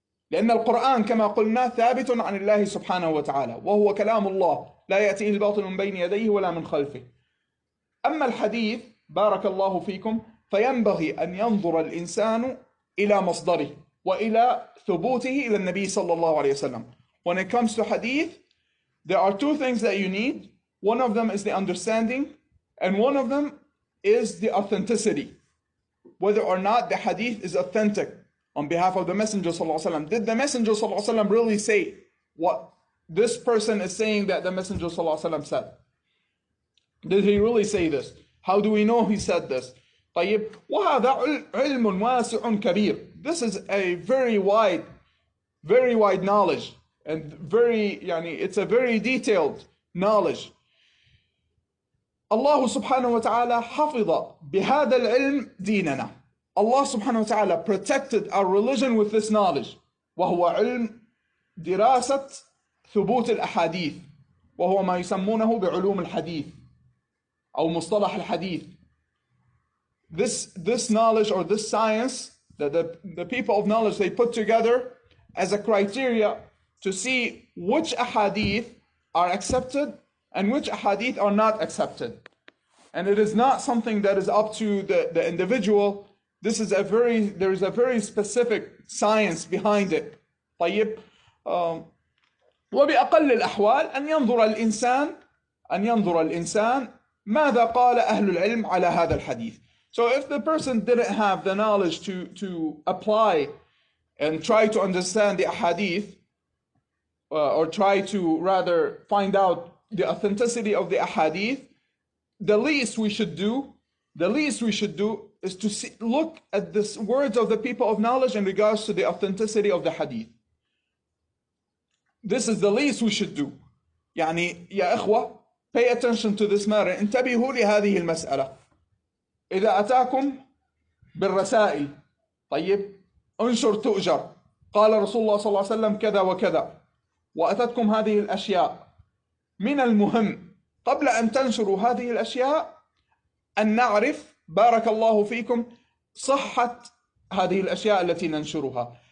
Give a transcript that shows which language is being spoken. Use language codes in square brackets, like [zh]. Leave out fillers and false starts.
[ar] لأن القرآن كما قلنا ثابت عن الله سبحانه وتعالى وهو كلام الله لا يأتيه الباطل من بين يديه ولا من خلفه. أما الحديث بارك الله فيكم فينبغي أن ينظر الإنسان إلى مصدره وإلى ثبوته إلى النبي صلى الله عليه وسلم. [en] When it comes to hadith, there are two things that you need. One of them is the understanding and one of them is the authenticity. Whether or not the hadith is authentic. On behalf of the Messenger sallallahu alaihi wasallam, did the Messenger sallallahu alaihi wasallam really say what this person is saying that the Messenger sallallahu alaihi wasallam said? Did he really say this? How do we know he said this? [ar] طيب وهذا علم واسع كبير. [en] This is a very wide knowledge and very, [ar] يعني [en] it's a very detailed knowledge. [ar] الله سبحانه وتعالى حفظ بهذا العلم ديننا. [en] Allah subhanahu wa ta'ala protected our religion with this knowledge. [ar] وَهُوَ عِلْمْ دِرَاسَةْ ثُبُوتِ الْأَحَادِيثِ وَهُوَ مَا يُسَمُّونَهُ بِعُلُومِ الْحَدِيثِ أو مصطلح الحديث. [en] This knowledge or this science that the people of knowledge they put together as a criteria to see which ahadith are accepted and which ahadith are not accepted. And it is not something that is up to the individual. This is a very, there is a very specific science behind it. [ar] طيب وبأقل الأحوال أن ينظر الإنسان ماذا قال أهل العلم على هذا الحديث. [en] So if the person didn't have the knowledge to apply and try to understand the ahadith or try to rather find out the authenticity of the ahadith, the least we should do is to see, look at the words of the people of knowledge in regards to the authenticity of the hadith. This is the least we should do. [ar] يعني يا إخوة, [en] pay attention to this matter. [ar] انتبهوا لهذه المسألة. إذا أتاكم بالرسائل, طيب, انشر تؤجر. قال رسول الله صلى الله عليه وسلم كذا وكذا. وأتتكم هذه الأشياء. من المهم قبل أن تنشروا هذه الأشياء أن نعرف بارك الله فيكم صحة هذه الأشياء التي ننشرها.